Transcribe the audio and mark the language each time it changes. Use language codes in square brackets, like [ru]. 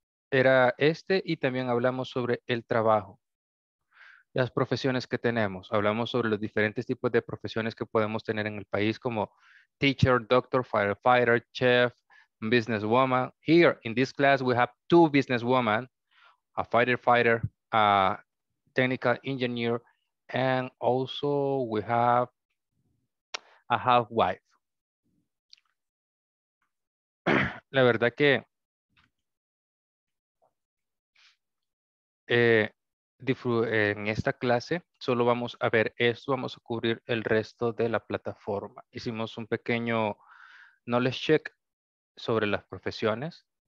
[es] Era este y también hablamos sobre el trabajo. Las profesiones que tenemos. Hablamos sobre los diferentes tipos de profesiones que podemos tener en el país, como teacher, doctor, firefighter, chef, businesswoman. [en] Here in this class, we have 2 businesswomen, a firefighter, a technical engineer, and also we have a half wife. [es] La verdad que en esta clase solo vamos a ver esto, vamos a cubrir el resto de la plataforma. Hicimos un pequeño knowledge check sobre las profesiones.